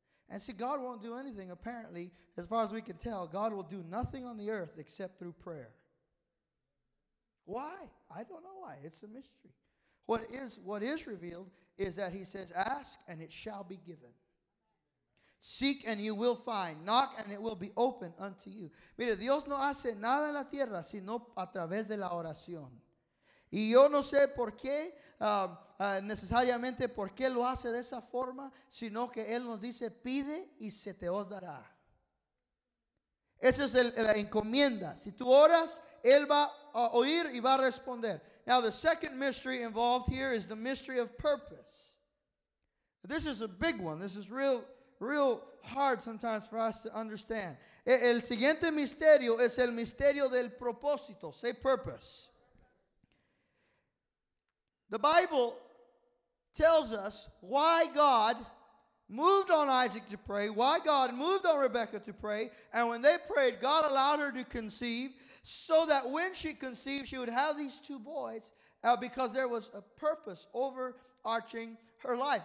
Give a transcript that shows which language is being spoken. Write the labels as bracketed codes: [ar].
[en] And see, God won't do anything, apparently, as far as we can tell. God will do nothing on the earth except through prayer. Why? I don't know why. It's a mystery. What is revealed is that he says, ask and it shall be given. Seek and you will find. Knock and it will be open unto you. [es] Mire, Dios no hace nada en la tierra sino a través de la oración. Y yo no sé por qué, necesariamente por qué lo hace de esa forma, sino que Él nos dice, pide y se te os dará. Esa es la encomienda. Si tú oras, Él va a oír y va a responder. [en] Now, the second mystery involved here is the mystery of purpose. This is a big one. This is real, real hard sometimes for us to understand. [es] El siguiente misterio es el misterio del propósito. [en] Say purpose. The Bible tells us why God moved on Isaac to pray, why God moved on Rebekah to pray, and when they prayed, God allowed her to conceive so that when she conceived, she would have these two boys because there was a purpose overarching her life.